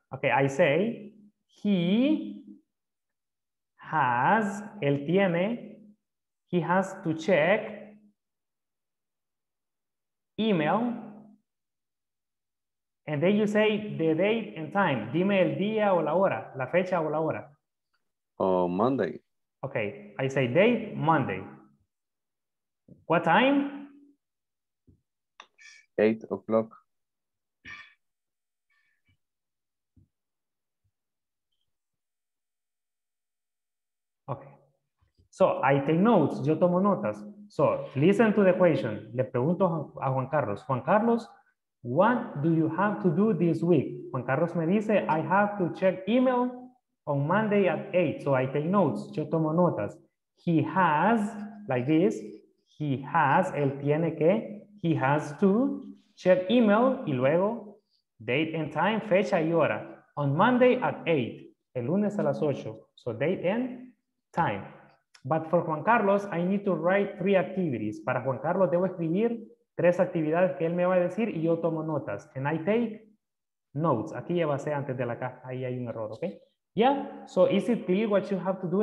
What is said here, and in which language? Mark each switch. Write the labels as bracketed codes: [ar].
[en] Okay, I say, he has, [es] él tiene, [en] he has to check email. And then you say the date and time. [es] Dime el día o la hora, la fecha o la hora. [en] Monday. Okay, I say date, Monday. What time? 8 o'clock. Okay. So I take notes. [es] Yo tomo notas. [en] So listen to the question. [es] Le pregunto a Juan Carlos. [en] Juan Carlos, what do you have to do this week? [es] Juan Carlos me dice, [en] I have to check email on Monday at 8. So I take notes. [es] Yo tomo notas. [en] He has, like this, he has, [es] él tiene que, [en] he has to check email [es] y luego [en] date and time, [es] fecha y hora. [en] On Monday at 8, [es] el lunes a las 8. [en] So date and time. But for Juan Carlos, I need to write 3 activities. [es] Para Juan Carlos, debo escribir 3 actividades que él me va a decir y yo tomo notas. [en] And I take notes. [es] Aquí ya va a ser antes de la caja. Ahí hay un error, ¿ok? [en] Yeah, so is it clear what you have to do?